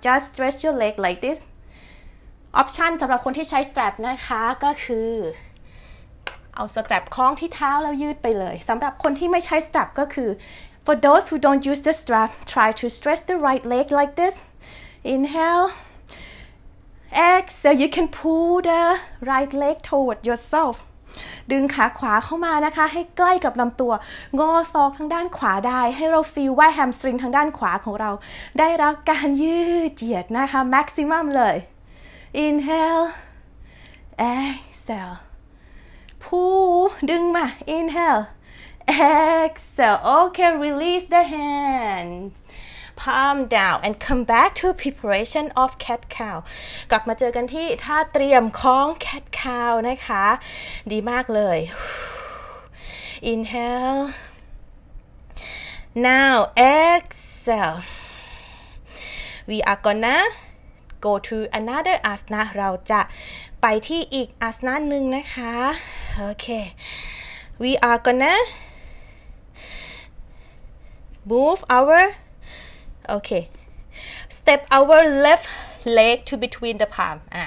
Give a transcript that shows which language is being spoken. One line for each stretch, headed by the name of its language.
English: Just stretch your leg like this. Option สำหรับคนที่ใช้ strap นะคะก็คือเอา strap คล้องที่เท้าแล้วยืดไปเลยสำหรับคนที่ไม่ใช้ strap ก็คือ for those who don't use the strap, try to stretch the right leg like this. Inhale, exhale. You can pull the right leg toward yourself.
Thai: ดึงขาขวาเข้ามานะคะให้ใกล้กับลำตัวงอศอกทางด้านขวาได้ให้เราฟีลว่าแฮมสตริงทางด้านขวาของเราได้รับการยืดเหยียดนะคะแม็กซิมัมเลย inhale exhale pull ดึงมา inhale exhale okay release the handsPalm down and come back to preparation of cat cow. กลับมาเจอกันที่ท่าเตรียมของ cat cow นะคะดีมากเลย Inhale.
English: Now exhale. We are gonna go to another asana.
Thai: เราจะไปที่อีกอาสนะหนึ่งนะคะ Okay.
English: We are gonna move ourOkay, step our left leg to between the palm.